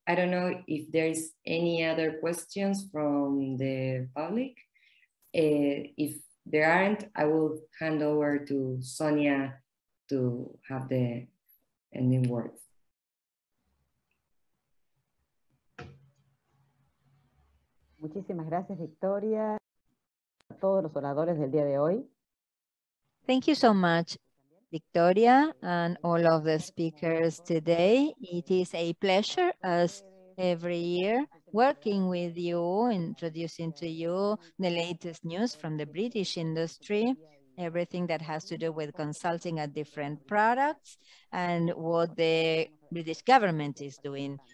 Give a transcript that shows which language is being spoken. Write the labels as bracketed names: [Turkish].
[English] I don't know if there's any other questions from the public. If there aren't, I will hand over to Sonia to have the ending words. [Spanish] Muchísimas gracias, Victoria, a todos los oradores del día de hoy. [English] Thank you so much, Victoria, and all of the speakers today. It is a pleasure, as every year, working with you, introducing to you the latest news from the British industry, everything that has to do with consulting at different products, and what the British government is doing.